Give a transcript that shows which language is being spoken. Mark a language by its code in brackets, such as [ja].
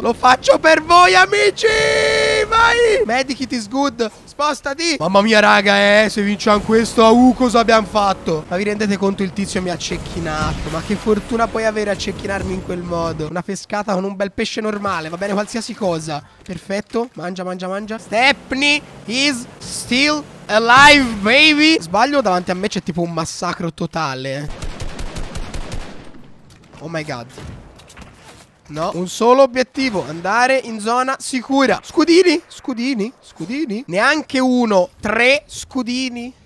[it] Lo faccio per voi, amici. Vai. [en] Medic, it is good. [it] Spostati. Mamma mia, raga, se vinciamo questo, cosa abbiamo fatto? Ma vi rendete conto, il tizio mi ha cecchinato. Ma che fortuna puoi avere a cecchinarmi in quel modo. Una pescata con un bel pesce normale. Va bene qualsiasi cosa. Perfetto. Mangia, mangia, mangia. [en] Stepney is still alive, baby. [it] Sbaglio, davanti a me c'è tipo un massacro totale. [en] Oh my god. [it] No, un solo obiettivo, andare in zona sicura. Scudini, scudini, scudini. Neanche uno, tre scudini.